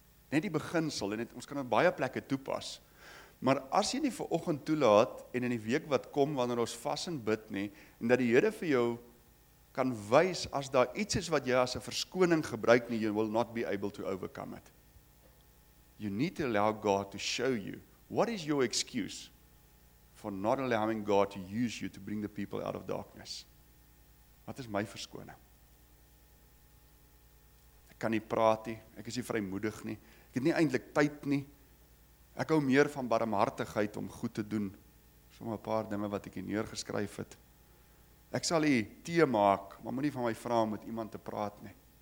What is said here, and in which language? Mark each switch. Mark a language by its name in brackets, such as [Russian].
[Afrikaans] Net die beginsel, en ons kan op baie plekke toepas, maar as jy nie vanoggend toelaat, en in die week wat kom, wanneer ons vas en bid nie, en dat die Here vir jou kan wys, as daar iets is wat jy as 'n verskoning gebruik nie, [English] you will not be able to overcome it. You need to allow God to show you, what is your excuse for not allowing God to use you to bring the people out of darkness? [Afrikaans] Wat is my verskoning? Ek kan nie praat nie, ek is nie vrymoedig nie, ek het nie eintlik tyd nie, ek hou meer van barmhartigheid om goed te doen, soms 'n paar dinge wat ek hier neergeskryf het. Ek sal hier tee maak, maar moenie van my vra om met iemand te praat nie.